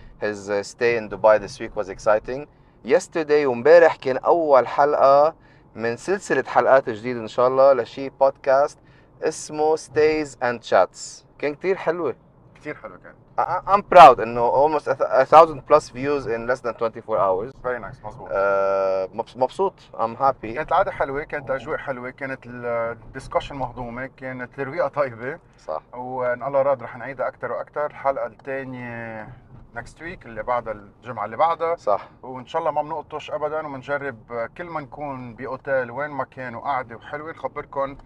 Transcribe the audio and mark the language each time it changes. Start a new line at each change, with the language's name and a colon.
English: His stay in Dubai this week was exciting. Yesterday
Arabic: ومبارح كان أول حلقة من سلسلة حلقات جديدة إن شاء الله لشي بودكاست اسمه Stays and Chats. كان كتير حلوة. كتير حلوة كان.
English: I'm proud
Arabic: انه
English: almost 1000 plus views in less than 24 hours. Very nice.
Arabic: مظبوط. مبسوط.
English: I'm happy.
Arabic: كانت العادة حلوة، كانت أجواء حلوة، كانت الديسكشن مهضومة، كانت الرويقة طيبة. صح. وإن الله راد رح نعيدها أكثر وأكثر. الحلقة الثانية
English: next week،
Arabic: اللي بعدها الجمعة اللي بعدها. صح. وإن شاء الله ما بنقطش أبدا، وبنجرب كل ما نكون بأوتيل وين ما كان وقعدة وحلوة نخبركم